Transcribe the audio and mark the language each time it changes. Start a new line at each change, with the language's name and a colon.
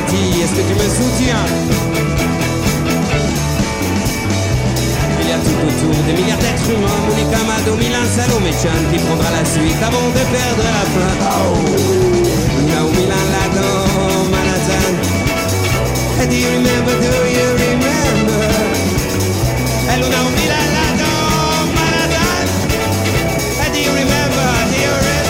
French: Dis, est-ce que tu me soutiens? Tout autour des milliards d'êtres humains, Monica, Mado, Milan, Salomé, Chan, qui prendra la suite avant de perdre la fin. Oh, Luna ou Milan, là dans Manhattan.
English: And do you remember, do you remember?
French: Et Luna ou Milan, là dans Manhattan.
English: And do you remember, do you